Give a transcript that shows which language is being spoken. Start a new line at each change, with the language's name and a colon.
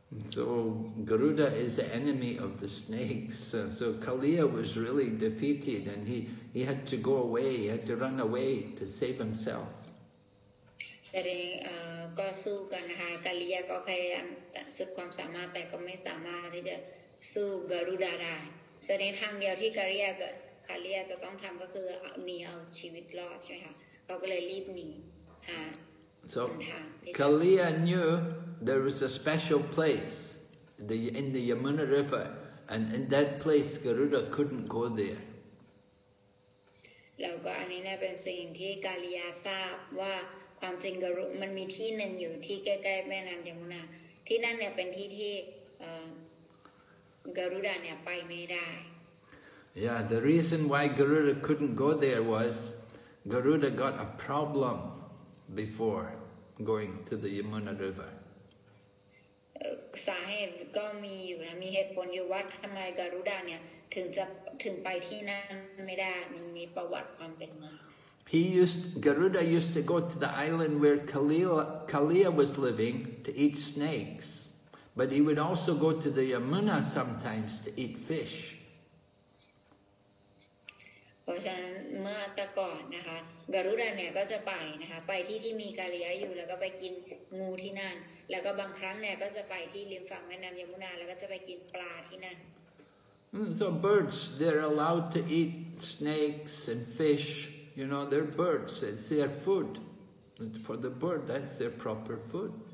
English: So Garuda is the enemy of the snakes. So Kaliya was really defeated, and he had to go away. He had to run away to save himself.
Thai: แสดงก็สู้กันนะคะ Kaliya ก็พยายามสุดความสามารถแต่ก็ไม่สามารถที่จะสู้ Garuda ได้แสดงทางเดียวที่ Kaliya จะต้องทำก็คือหนีเอาชีวิตรอดใช่ไหมคะเขาก็เลยรีบหนีหา
English: So Kaliya knew. There was a special place in the Yamuna River, and in that place, Garuda couldn't go there.
Thai: แล้วก็อันนี้เนี่ยเป็นสิ่งที่กาลิยาทราบว่าความจริงการุมันมีที่หนึ่งอยู่ที่ใกล้ๆแม่น้ำยมุนาที่นั่นเนี่ยเป็นที่ที่การุดาเนี่ยไปไม่ได้
English: Yeah, the reason why Garuda couldn't go there was Garuda got a problem before going to the Yamuna River.
Thai: สาเหตุก็มีอยู่นะมีเหตุผลอยู่ว่าทำไมการุดาเนี่ยถึงไปที่นั่นไม่ได้มีประวัติความเป็นมา
English: He used Garuda used to go to the island where Kaliya was living to eat snakes, but he would also go to the Yamuna sometimes to eat fish.
Thai: เพราะฉะนั้นเมื่อแต่ก่อนนะคะการุดาเนี่ยก็จะไปนะคะไปที่ที่มีกาลิยะอยู่แล้วก็ไปกินงูที่นั่นแล้วก็บางครั้งเนี่ยก็จะไปที่ริมฝั่งแม่น้ำยมุนาแล้วก็จะไปกินปลาที่นั่น
English: So birds they're allowed to eat snakes and fish you know they're birds it's their food and for the bird that's their proper food